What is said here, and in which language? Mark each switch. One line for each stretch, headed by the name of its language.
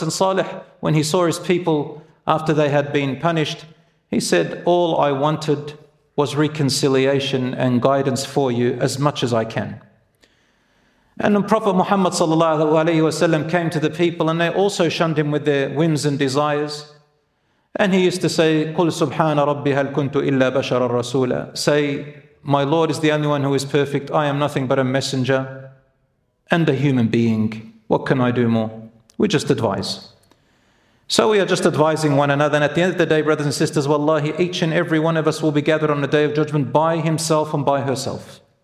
English: And Salih, when he saw his people after they had been punished, he said, all I wanted was reconciliation and guidance for you as much as I can. And then Prophet Muhammad sallallahu alaihi wasallam came to the people, and they also shunned him with their whims and desires. And he used to say,
Arabic: قُلْ سُبْحَانَ رَبِّ هَلْ كُنْتُ إِلَّا بَشَرَ الرَّسُولَ.
English: Say, my Lord is the only one who is perfect. I am nothing but a messenger and a human being. What can I do more? We just advise. So we are just advising one another. And at the end of the day, brothers and sisters, wallahi, each and every one of us will be gathered on the Day of Judgment by himself and by herself.